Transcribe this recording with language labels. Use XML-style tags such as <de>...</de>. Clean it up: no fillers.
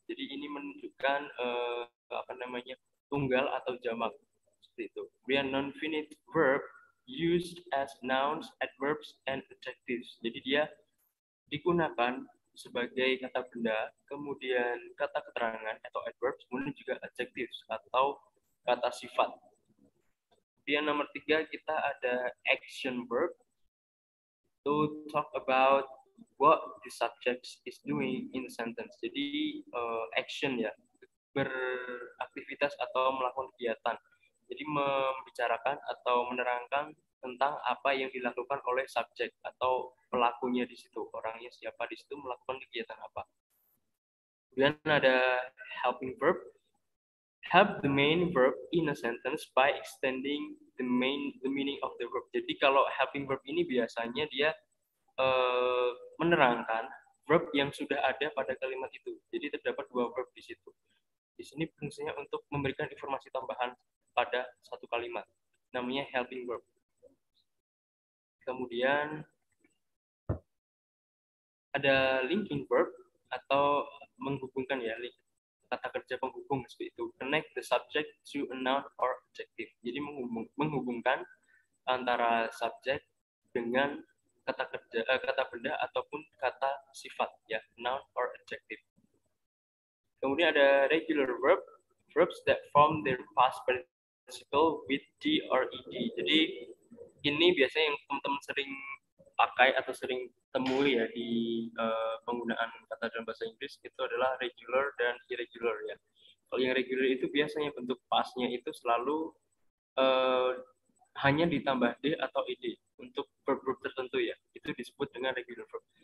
<id>Jadi ini menunjukkan apa namanya tunggal atau jamak seperti itu.</id> <en>Kemudian non-finite verb used as nouns, adverbs, and adjectives.</en> <id>Jadi dia digunakan sebagai kata benda, kemudian kata keterangan atau adverbs, kemudian juga adjectives atau kata sifat. Kemudian nomor tiga kita ada</id> <en>action verb to talk about what the subject is doing in the sentence.</en> <id>Jadi action ya, beraktivitas atau melakukan kegiatan. Jadi membicarakan atau menerangkan tentang apa yang dilakukan oleh subjek atau pelakunya di situ, orangnya siapa di situ melakukan kegiatan apa. Kemudian ada</id> <en>helping verb, help the main verb in a sentence by extending the main the meaning of the verb.</en> <id>Jadi kalau helping verb ini biasanya dia menerangkan verb yang sudah ada pada kalimat itu. Jadi terdapat dua verb di situ. Di sini fungsinya untuk memberikan informasi tambahan pada satu kalimat. Namanya helping verb. Kemudian ada linking verb atau menghubungkan ya, kata kerja penghubung seperti itu.</id> <en>Connect the subject to a noun or adjective.</en> <id>Jadi menghubungkan antara subjek dengan kata kerja, kata benda ataupun kata sifat ya,</id> <en>noun or adjective.</en> <id>Kemudian ada</id> <en>regular verb, verbs that form their past participle with d or ed.</en> <id>Jadi ini biasanya yang teman-teman sering pakai atau sering temui ya di penggunaan kata dalam bahasa Inggris itu adalah regular dan irregular ya. Kalau yang regular itu biasanya bentuk past-nya itu selalu hanya ditambah d atau ed untuk verb-verb tertentu ya, itu disebut dengan regular verb.</id>